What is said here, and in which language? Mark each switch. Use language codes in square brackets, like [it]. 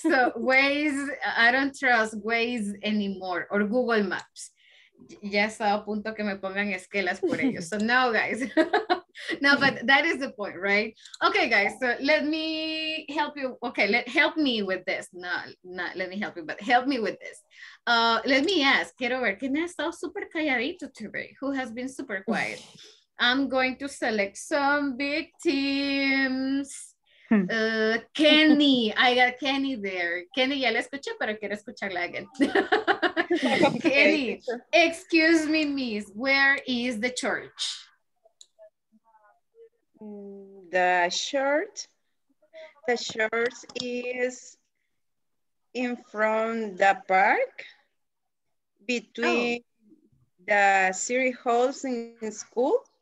[en] So Waze, I don't trust Waze anymore, or Google Maps. [es] Ya está a punto que me pongan esquelas por ellos. [en] So no, guys. No, but that is the point, right? Okay, guys, so let me help you. Okay, help me with this. Not let me help you, but help me with this. Let me ask, [es] quiero ver, ¿quién ha estado super calladito today? [en] Who has been super quiet? I'm going to select some victims. [es] Kenny, [en] I got Kenny there. [es] Kenny, ya la escuché, pero quiero escucharla again. [en] Kenny, excuse me, miss, where is the church? The church is in front of the park between the city halls in school.